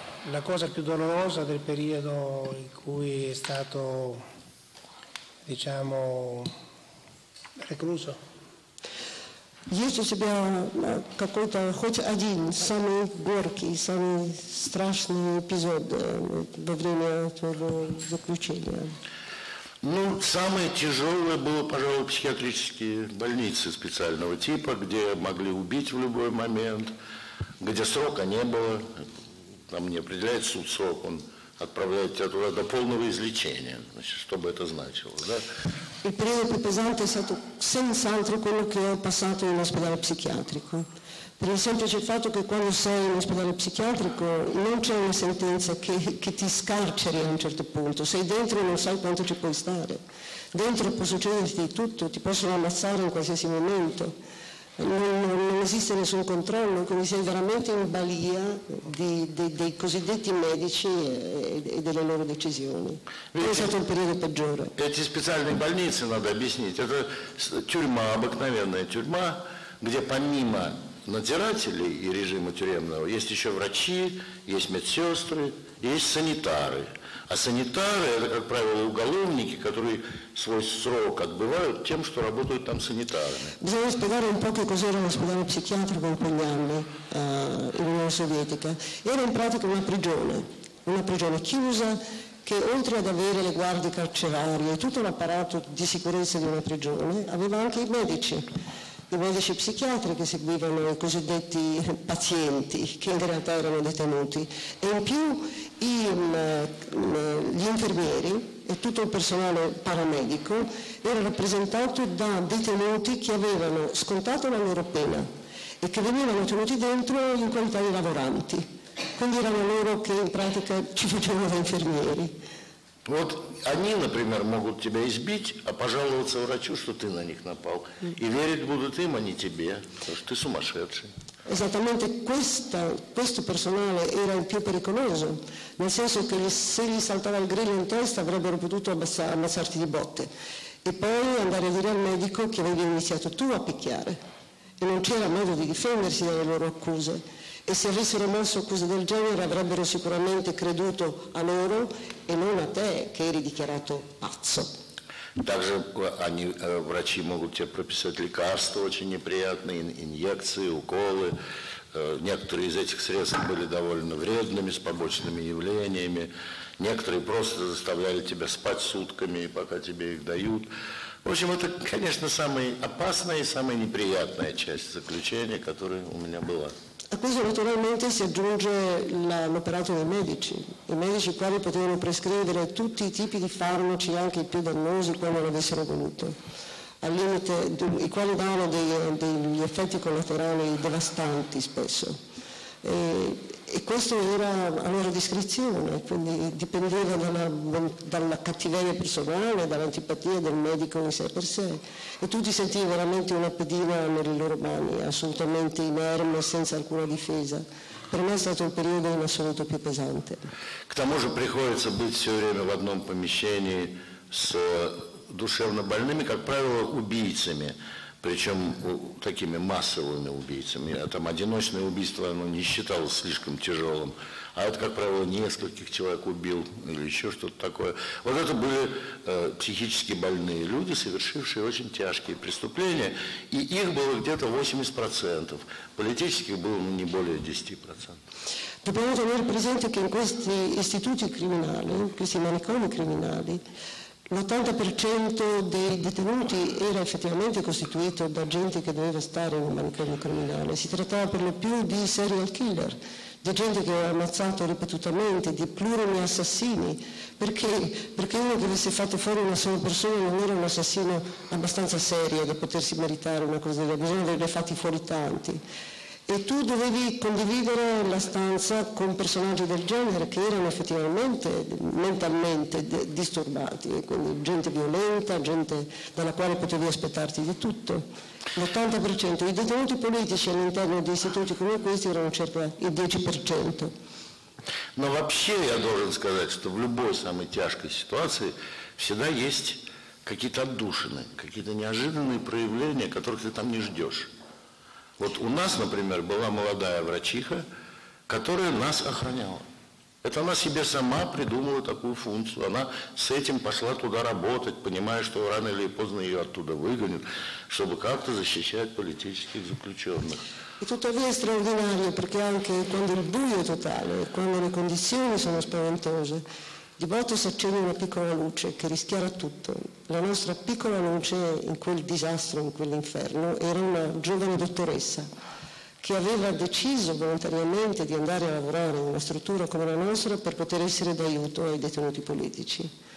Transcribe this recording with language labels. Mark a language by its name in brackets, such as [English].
[Italian] La cosa più dolorosa del periodo in cui è stato, diciamo, recluso. [Russian] Есть у тебя какой-то хоть один самый горький, самый страшный эпизод во время твоего заключения? Ну, самое тяжелое было, пожалуй, психиатрические больницы специального типа, где могли убить в любой момент, где срока не было, там не определяет суд срок, он отправляет тебя туда до полного излечения, значит, что бы это значило, да? [Italian] Il periodo più pesante è stato senz'altro quello che ho passato in ospedale psichiatrico. Per il semplice fatto che quando sei in ospedale psichiatrico non c'è una sentenza che ti scarceri a un certo punto. Sei dentro e non sai quanto ci puoi stare. Dentro può succederti di tutto, ti possono ammazzare in qualsiasi momento. Non esiste nessun controllo, quindi sei veramente in balia dei cosiddetti medici e delle loro decisioni. È stato il periodo peggiore. [Russian] Эти специальные больницы, надо объяснить, это тюрьма, обыкновенная тюрьма, где помимо надзирателей и режима тюремного есть еще врачи, есть медсестры, есть санитары. А санитары – это, как правило, уголовники, которые свой срок отбывают тем, что работают там санитарами. [Italian] Bisogna spiegare un po' che cos'era l'ospedale psichiatrico in quegli anni, in Unione Sovietica. Era in pratica una prigione chiusa, che oltre ad avere le guardie carcerarie e tutto l'apparato di sicurezza di una prigione, aveva anche i medici. I medici psichiatri che seguivano i cosiddetti pazienti, che in realtà erano detenuti, e in più gli infermieri e tutto il personale paramedico era rappresentato da detenuti che avevano scontato la loro pena e che venivano tenuti dentro in qualità di lavoranti. Quindi erano loro che in pratica ci facevano da infermieri. [Russian] Вот они, например, могут тебя избить, а пожаловаться врачу, что ты на них напал. И верить будут им, а не тебе, потому что ты сумасшедший. [Italian] Esattamente questo personale era il più pericoloso, nel senso che se gli saltava il grillo in testa avrebbero potuto ammazzarti di botte e poi andare a dire al medico che avevi iniziato tu a picchiare e non c'era modo di difendersi dalle loro accuse. E se avessero mosso accuse del genere avrebbero sicuramente creduto a loro e non a te che eri dichiarato pazzo. [Russian] Также они, врачи могут тебе прописать лекарства очень неприятные, инъекции, уколы, Некоторые из этих средств были довольно вредными, с побочными явлениями. Некоторые просто заставляли тебя спать сутками, пока тебе их дают. В общем, это, конечно, самая опасная и самая неприятная часть заключения, которая у меня была. [Italian] A questo naturalmente si aggiunge l'operato dei medici. I medici quali potevano prescrivere tutti i tipi di farmaci, anche i più dannosi, quando l'avessero voluto. Al limite, i quali davano degli effetti collaterali devastanti spesso. E questo era a loro discrezione, quindi dipendeva dalla cattiveria personale, dall'antipatia del medico in sé per sé. E tutti sentivano veramente una pedina nelle loro mani, assolutamente inerme, senza alcuna difesa. Per me è stato un periodo in assoluto più pesante. [Russian] К тому же приходится быть все время в одном помещении с душевнобольными, как правило, убийцами. Причем такими массовыми убийцами. А там одиночное убийство, оно не считалось слишком тяжелым. А это, как правило, нескольких человек убил или еще что-то такое. Вот это были психически больные люди, совершившие очень тяжкие преступления. И их было где-то 80%. Политических было не более 10%. [Italian] Dobbiamo tenere presente che in questi istituti criminali, in questi manicomi criminali, L'80% dei detenuti era effettivamente costituito da gente che doveva stare in un manicomio criminale. Si trattava per lo più di serial killer, di gente che aveva ammazzato ripetutamente, di plurimi assassini. Perché? Perché uno che avesse fatto fuori una sola persona non era un assassino abbastanza serio da potersi meritare una cosa del genere, bisogna averne fatti fuori tanti. E tu dovevi condividere la stanza con personaggi del genere che erano effettivamente mentalmente disturbati, quindi gente violenta, gente dalla quale potevi aspettarti di tutto. L'80% dei detenuti politici all'interno di istituti come questi erano circa il 10%. [Russian] Но вообще я должен сказать, что в любой самой тяжкой ситуации всегда есть какие-то отдушины, какие-то неожиданные проявления, которых ты там не ждешь. Вот у нас, например, была молодая врачиха, которая нас охраняла. Это она себе сама придумала такую функцию. Она с этим пошла туда работать, понимая, что рано или поздно ее оттуда выгонят, чтобы как-то защищать политических заключенных. И тут вообще [Italian] extraordinario, perché anche quando il buio è totale, quando le condizioni sono spaventose, di volte si accende una piccola luce che rischiara tutto. La nostra piccola luce in quel disastro, in quell'inferno, era una giovane dottoressa che aveva deciso volontariamente di andare a lavorare in una struttura come la nostra per poter essere d'aiuto ai detenuti politici.